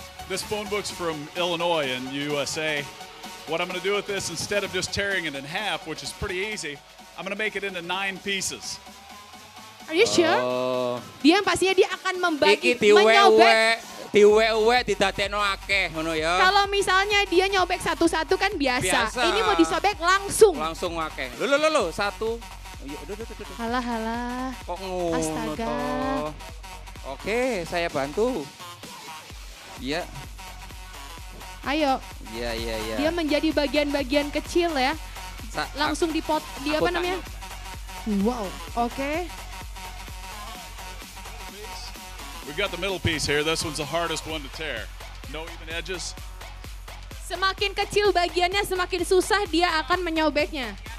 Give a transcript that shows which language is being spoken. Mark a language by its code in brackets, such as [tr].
[en] This phone book's from Illinois in USA. What I'm going to do with this, instead of just tearing it in half, which is pretty easy, I'm going to make it into 9 pieces. Are you sure? [id] Dia pastinya dia akan membagi, [jv] menyobek. Diwe-we tidak teno akeh, ngono ya. [id] Kalau misalnya dia nyobek satu-satu kan biasa. Ini mau disobek langsung. [jv] Langsung akeh. Lo, satu. [id] Halah. [jv] Kok ngono toh? [id] Oke, saya bantu. Iya. Ayo. Iya. Dia menjadi bagian-bagian kecil ya. Langsung dipot, di apa namanya? Wow, oke. [en] We got the middle piece here. This one's the hardest one to tear. No even edges. [id] Semakin kecil bagiannya, semakin susah dia akan menyobeknya.